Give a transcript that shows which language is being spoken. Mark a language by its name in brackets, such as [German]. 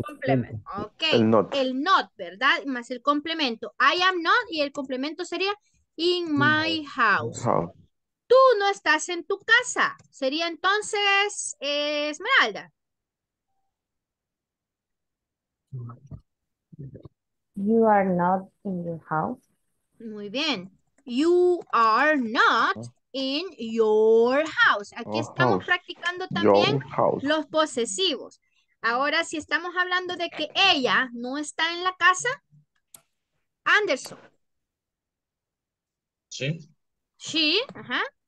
[Spanish] Complemento. Okay. El not, ¿verdad? Más el complemento. [English] I am not [Spanish] y el complemento sería [English] in my house. [Spanish] Tú no estás en tu casa. Sería entonces Esmeralda. [English] You are not in your house. [Spanish] Muy bien. [English] You are not in your house. [Spanish] Aquí estamos practicando también los posesivos. Ahora, si estamos hablando de que ella no está en la casa, Anderson. Sí. Sí, ajá.